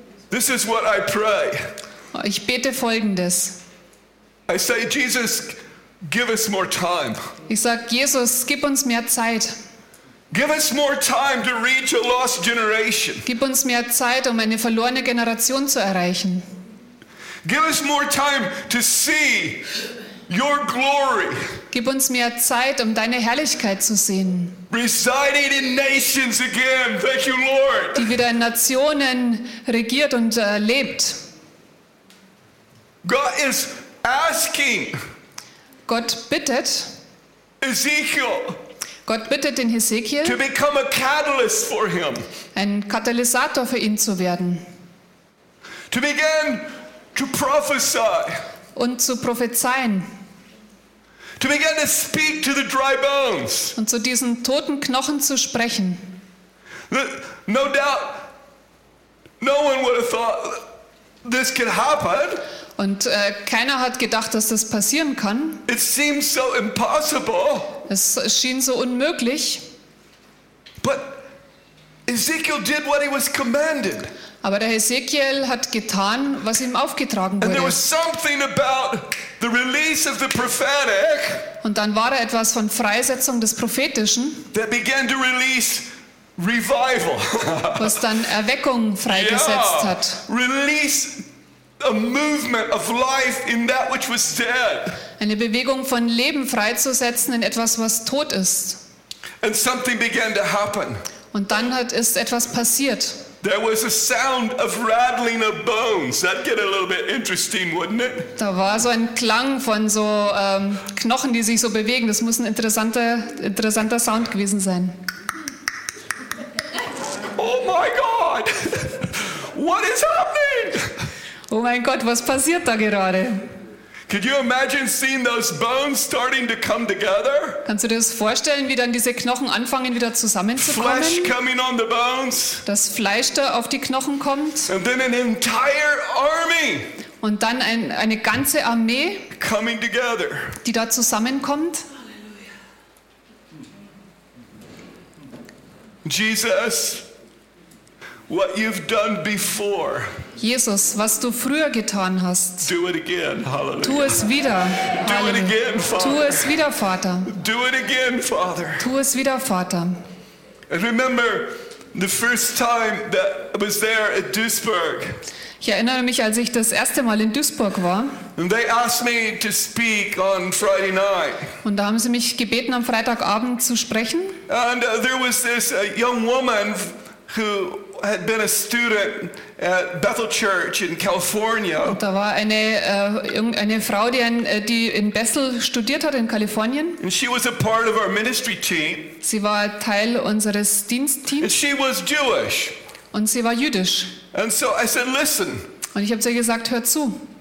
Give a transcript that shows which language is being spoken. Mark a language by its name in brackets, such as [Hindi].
[English] This is what I pray. [German] Ich bete Folgendes. [English] I say, Jesus, give us more time. [German] Ich sage, Jesus, gib uns mehr Zeit. [English] Give us more time to reach a lost generation. [German] Gib uns mehr Zeit, um eine verlorene Generation zu erreichen. [English] Give us more time to see Your glory. [German] Gib uns mehr Zeit, um deine Herrlichkeit zu sehen. [English] Residing in nations again, thank you, Lord. [German] Die wieder in Nationen regiert und lebt. [English] God is asking. [German] Gott bittet. [English] Ezekiel. [German] Gott bittet den Hesekiel. [English] To become a catalyst for him. [German] Ein Katalysator für ihn zu werden. [English] To begin to prophesy. [German] Und zu prophezeien. [English] To begin to speak to the dry bones. [German] Und zu diesen toten Knochen zu sprechen. [English] No doubt, no one would have thought this could happen. [German] Und keiner hat gedacht, dass das passieren kann. [English] It seems so impossible. [German] Es schien so unmöglich. [English] But Ezekiel did what he was commanded. [German] Aber der Hesekiel hat getan, was ihm aufgetragen wurde. [English] And there was something about the release of the prophetic, [German] und dann war da etwas von Freisetzung des Prophetischen, [English] that began to release revival. [German] Was dann Erweckung freigesetzt hat. [English] Release a movement of life in that which was dead. [German] Eine Bewegung von Leben freizusetzen in etwas, was tot ist. [English] And something began to happen. [German] Und dann ist etwas passiert. [English] There was a sound of rattling of bones. That'd get a little bit interesting, wouldn't it? [German] Da war so ein Klang von so Knochen, die sich so bewegen. Das muss ein interessanter Sound gewesen sein. [English] Oh my God! What is happening? [German] Oh mein Gott, was passiert da gerade? [English] Could you imagine seeing those bones starting to come together? [German] Kannst du dir das vorstellen, wie dann diese Knochen anfangen wieder zusammenzukommen? [English] Flesh coming on the bones. [German] Das Fleisch da auf die Knochen kommt. [English] And then an entire army. [German] Und dann eine ganze Armee. [English] Coming together. [German] Die da zusammenkommt. [English] Jesus, what you've done before. [German] Jesus, was du früher getan hast, [English] do it again. Hallelujah. [German] Tu es wieder. [English] Do it again, Father. [German] Tu es wieder, Vater. [English] Do it again, Father. [German] Tu es wieder, Vater. [English] I remember the first time that I was there at Duisburg. [German] Ich erinnere mich, als ich das erste Mal in Duisburg war. [English] And they asked me to speak on Friday night. [German] Und da haben sie mich gebeten, am Freitagabend zu sprechen. [English] And there was this young woman who had been a student at Bethel Church in California. [German] Und da war eine Frau, die in Bethel studiert hat in Kalifornien. [English] And she was a part of our ministry team. [German] Sie war Teil unseres Dienstteams. [English] And she was Jewish. [German] Und sie war jüdisch. [English] And so I said, listen. [German] Und ich habe zu ihr gesagt, hör zu.